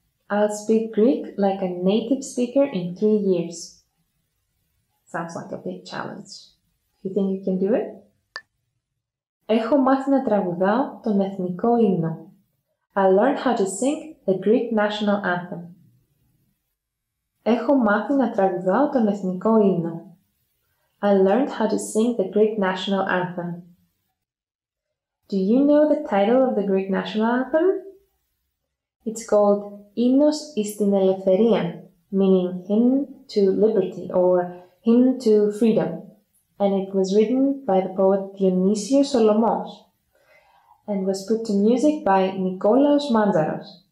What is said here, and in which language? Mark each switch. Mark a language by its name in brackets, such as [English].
[English] I'll speak Greek like a native speaker in 3 years. Sounds like a big challenge. You think you can do it? [Greek] Έχω μάθει να τραγουδάω τον εθνικό ύμνο. [English] I learned how to sing the Greek national anthem. [Greek] Έχω μάθει να τραγουδάω τον εθνικό ύμνο. [English] I learned how to sing the Greek national anthem. Do you know the title of the Greek national anthem? It's called Ύμνος εις την Ελευθερία, meaning hymn to liberty or hymn to freedom, and it was written by the poet Dionysios Solomos and was put to music by Nikolaos Mandzaros.